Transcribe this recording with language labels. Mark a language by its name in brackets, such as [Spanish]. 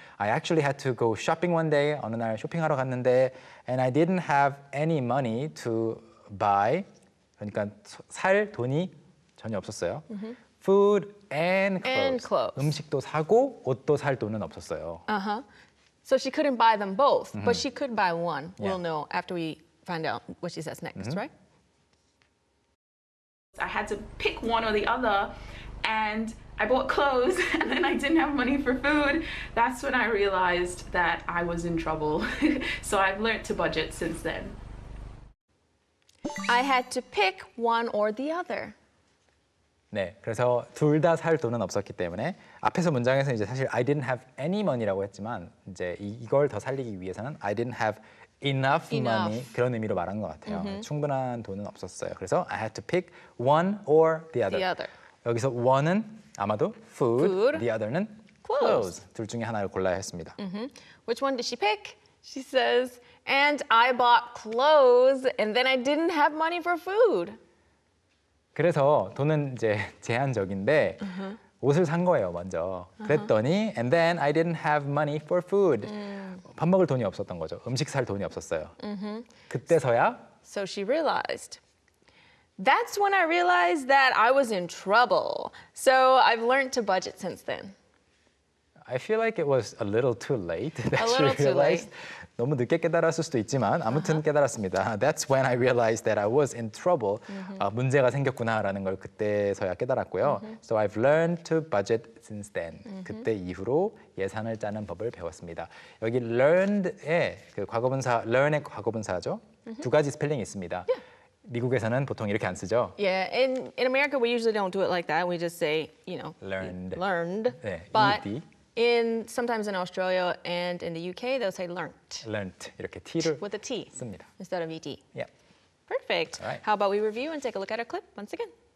[English] I actually had to go shopping one day. [Korean] 어느 날 쇼핑하러 갔는데 [English] and I didn't have any money to buy. [Korean] 그러니까 살 돈이 전혀 없었어요. [English] Food and clothes. and clothes. [Korean] 음식도 사고 옷도 살 돈은 없었어요. [English] So she couldn't buy them both, but she could buy one. Yeah. We'll know after we find out what she says next, right? I had to pick one or the other, and I bought clothes, and then I didn't have money for food. That's when I realized that I was in trouble. So I've learned to budget since then. I had to pick one or the other. [Korean] 네, 그래서 둘 다 살 돈은 없었기 때문에 앞에서 문장에서는 이제 사실 [English] I didn't have any money [Korean] 라고 했지만 이제 이걸 더 살리기 위해서는 [English] I didn't have enough, enough. [Korean] money 그런 의미로 말한 것 같아요. 충분한 돈은 없었어요. 그래서 [English] I had to pick one or the other. The other. [Korean] 여기서 one은 아마도 food, [English] food. the other는 clothes. [Korean] 둘 중에 하나를 골라야 했습니다. [English] Which one did she pick? She says, and I bought clothes and then I didn't have money for food. [Korean] 그래서 돈은 이제 제한적인데 옷을 산 거예요, 먼저. 그랬더니 [English] and then I didn't have money for food. [Korean] 밥 먹을 돈이 없었던 거죠. 음식 살 돈이 없었어요. 그때서야 [English] so she realized That's when I realized that I was in trouble. So I've learned to budget since then. I feel like it was a little too late that you realized. [Korean] 너무 늦게 깨달았을 수도 있지만 아무튼 uh-huh. 깨달았습니다. [English] That's when I realized that I was in trouble. Uh-huh. [Korean] 문제가 생겼구나라는 걸 그때서야 깨달았고요. [English] Uh-huh. So I've learned to budget since then. Uh-huh. [Korean] 그때 이후로 예산을 짜는 법을 배웠습니다. 여기 learned의 그 과거분사, learn의 과거분사죠. Uh-huh. 두 가지 스펠링이 있습니다. [English] Yeah. [Korean] 미국에서는 보통 이렇게 안 쓰죠. [English] Yeah, in America we usually don't do it like that. We just say, you know, learned. 네, but in sometimes in Australia and in the UK they'll say learnt. [Korean] Learnt 이렇게 T를 [English] with a T [Korean] 씁니다. [English] Instead of ED. Yeah. Perfect. Right. How about we review and take a look at our clip once again?